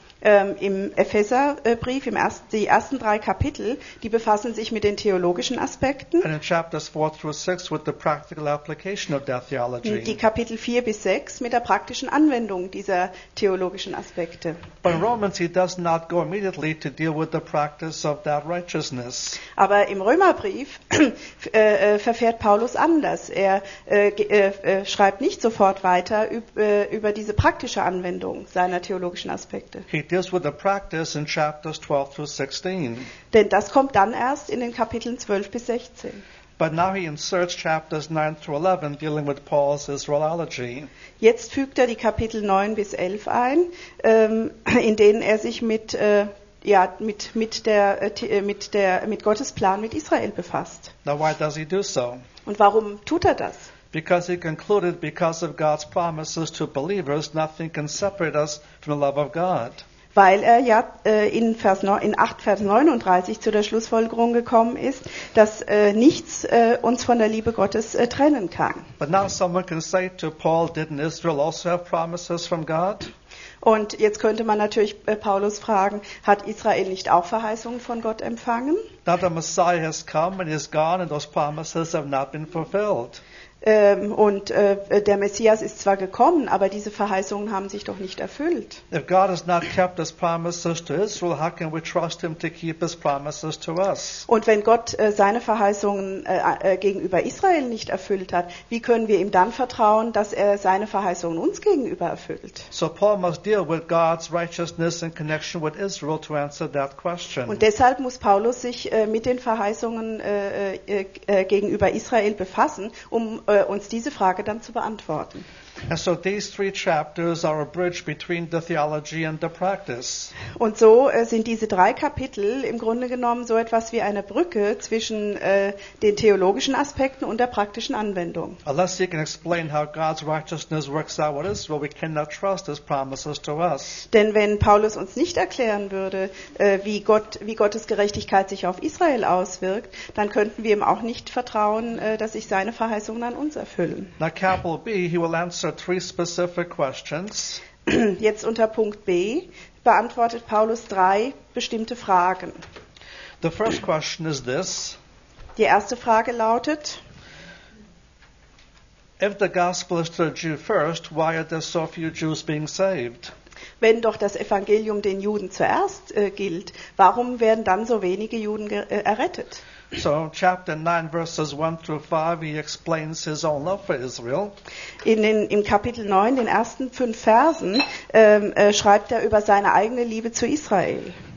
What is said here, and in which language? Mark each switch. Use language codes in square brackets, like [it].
[de] Im Epheserbrief, die ersten drei Kapitel, die befassen sich mit den theologischen Aspekten. [en] And in chapters 4 through 6 with the practical application of that theology. [de] Die Kapitel 4 bis 6 mit der praktischen Anwendung dieser theologischen Aspekte. [en] But in Romans he does not go immediately to deal with the practice of that righteousness. [de] Aber im Römerbrief verfährt Paulus anders. Er schreibt nicht sofort weiter über diese praktische Anwendung seiner theologischen Aspekte. [en] Deals with the practice in chapters 12 through 16. [de] Denn das kommt dann erst in den Kapiteln 12 bis 16. [en] But now he inserts chapters 9 through 11 dealing with Paul's Israelology. [de] Jetzt fügt die Kapitel 9 bis 11 ein, in denen sich mit Gottes Plan mit Israel befasst. [en] Now why does he do so? [de] Und warum tut das? [en] Because he concluded, because of God's promises to believers, nothing can separate us from the love of God. [de] Weil in 8, Vers 39 zu der Schlussfolgerung gekommen ist, dass nichts uns von der Liebe Gottes trennen kann. [en] But now someone can say to Paul, didn't Israel also have promises from God? [de] Und jetzt könnte man natürlich Paulus fragen, hat Israel nicht auch Verheißungen von Gott empfangen? [en] That the Messiah has come and is gone and those promises have not been fulfilled. [de] Der Messias ist zwar gekommen, aber diese Verheißungen haben sich doch nicht erfüllt. [en] If God has not kept his promises to Israel, how can we trust him to keep his promises to us? [de] Und wenn Gott seine Verheißungen gegenüber Israel nicht erfüllt hat, wie können wir ihm dann vertrauen, dass seine Verheißungen uns gegenüber erfüllt? [en] So Paul must deal with God's righteousness in connection with Israel to answer that question. [de] Und deshalb muss Paulus sich mit den Verheißungen gegenüber Israel befassen, um uns diese Frage dann zu beantworten. [en] And so these three chapters are a bridge between the theology and the practice. [de] Und so sind diese drei Kapitel im Grunde genommen so etwas wie eine Brücke zwischen den theologischen Aspekten und der praktischen Anwendung. [en] Unless you can explain how God's righteousness works out with Israel, we cannot trust his promises to us. [de] Denn wenn Paulus uns nicht erklären würde, wie Gottes Gerechtigkeit sich auf Israel auswirkt, dann könnten wir ihm auch nicht vertrauen, dass sich seine Verheißungen an uns erfüllen. [en] Now capital B, he will answer three specific questions. [de] Jetzt unter Punkt B beantwortet Paulus drei bestimmte Fragen. [en] The first question is this. [de] Die erste Frage lautet: [en] If the gospel is to the Jew first, why are there so few Jews being saved? [de] Wenn doch das Evangelium den Juden zuerst gilt, warum werden dann so wenige Juden errettet? [en] So chapter 9 verses 1 through 5 he explains his own love for Israel. [de] Im Kapitel 9, den ersten 5 Versen, schreibt über seine eigene Liebe zu Israel.